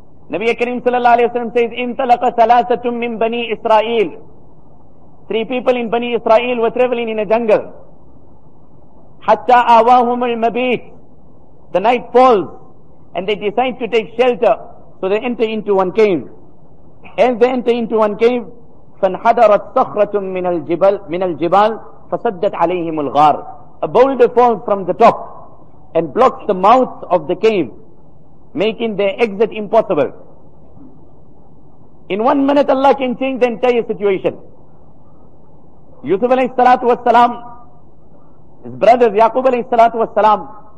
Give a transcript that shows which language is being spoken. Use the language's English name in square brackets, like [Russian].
[English] Nabi Kareem sallallahu alayhi wa sallam says, [Arabic] Intalaqa salasatum min Bani Israel. [English] Three people in Bani Israel were traveling in a jungle. [Arabic] Hatta awahum al-mabit. [English] The night falls and they decide to take shelter. So they enter into one cave. As they enter into one cave, [Arabic] فَانْحَدَرَتْ صَخْرَةٌ مِنَ الْجِبَالِ فَصَدَّتْ عَلَيْهِمُ الْغَارِ. [English] A boulder falls from the top and blocks the mouth of the cave, making their exit impossible. In 1 minute, Allah can change the entire situation. Yusuf alayhi salatu was salam, his brothers Yaqub alayhi salatu was salam.